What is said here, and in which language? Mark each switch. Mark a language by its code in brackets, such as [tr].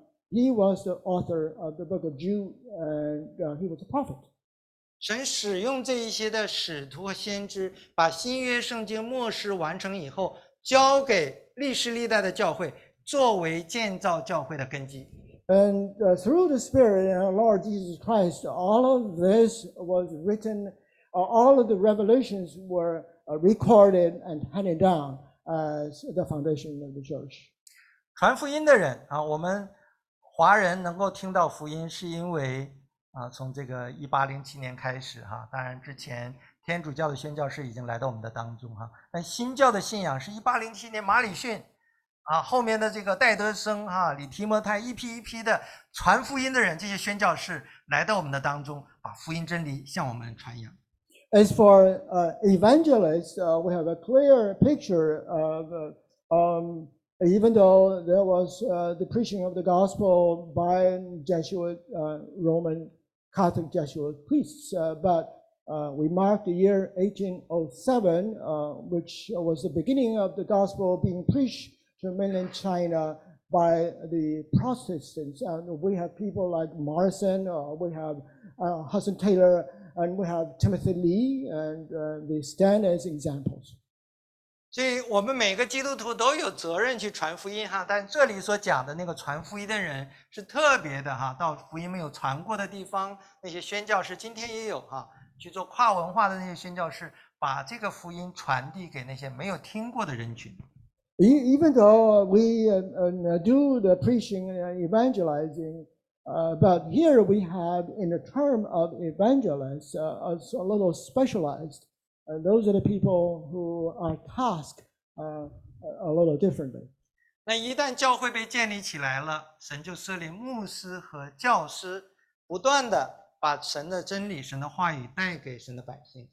[en] He was the author of the book of Jude, and he was a prophet. [zh] 神使用这一些的使徒和先知，把新约圣经默示完成以后，交给历史历代的教会，作为建造教会的根基。 [en] And through the Spirit and our Lord Jesus Christ, all of this was written, all of the revelations were recorded and handed down. As the foundation of the church. [zh] 传福音的人啊，我们华人能够听到福音，是因为啊，从这个1807年开始哈，当然之前天主教的宣教士已经来到我们的当中哈。但新教的信仰是1807年马里逊啊，后面的这个戴德生哈、李提摩泰一批一批的传福音的人，这些宣教士来到我们的当中，把福音真理向我们传扬。 [en] As for evangelists, we have a clear picture of even though there was the preaching of the gospel by Jesuit Roman Catholic Jesuit priests, but we mark the year 1807, which was the beginning of the gospel being preached to mainland China by the Protestants. And we have people like Morrison, we have Hudson Taylor, and we have Timothy Lee, and they stand as examples. [zh] 所以我们每个基督徒都有责任去传福音哈，但这里所讲的那个传福音的人是特别的哈，到福音没有传过的地方，那些宣教士今天也有哈，去做跨文化的那些宣教士，把这个福音传递给那些没有听过的人群。 [en] Even though we do the preaching and evangelizing, but here we have in the term of evangelists a little specialized. And those are the people who are tasked a little differently. [zh] 那一旦教会被建立起来了，神就设立牧师和教师，不断的把神的真理、神的话语带给神的百姓。